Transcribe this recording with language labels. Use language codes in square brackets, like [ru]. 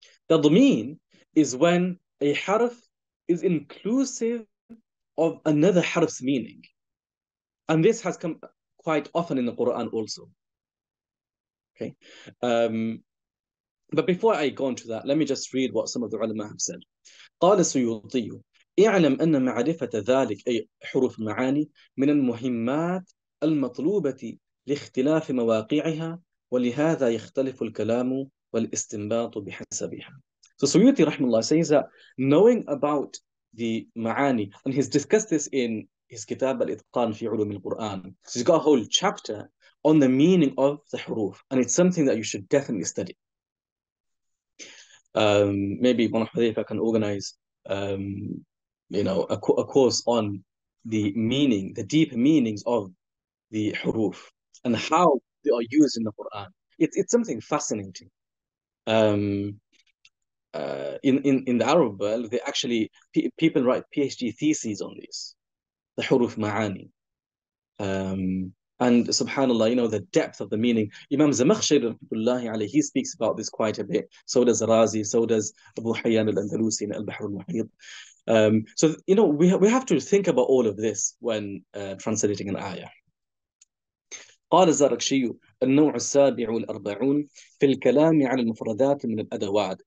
[en] Tadmeen is when a harf is inclusive of another harf's meaning. And this has come quite often in the Qur'an also. Okay. But before I go into that, let me just read what some of the ulama have said. [ar] قَالَ سُيُوطِيُّ اِعْلَمْ أَنَّ مَعْرِفَةَ ذَلِكَ أي حروف معاني من المهمات المطلوبة لاختلاف مواقعها ولهذا يختلف الكلام والاستنباط بحسبها. [en] So Suyuti rahimahullah says that knowing about the معاني, and he's discussed this in his kitab al-itqan fi ulum al-Qur'an. So he's got a whole chapter on the meaning of the huruf, and it's something that you should definitely study. Maybe one of Hudhayfa can organize, a course on the meaning, the deep meanings of the huruf, and how they are used in the Quran. It's something fascinating. In the Arab world, they actually people write PhD theses on this, the huruf ma'ani. And subhanAllah, you know, the depth of the meaning. Imam Zamakhshir, he speaks about this quite a bit. So does Razi, so does Abu Hayyan al-Andalusi in Al-Bahr al-Muhit. So, you know, we have to think about all of this when translating an ayah. [ar] قال الزركشي النوع السابع والأربعون في الكلام عن المفردات من الأدوات.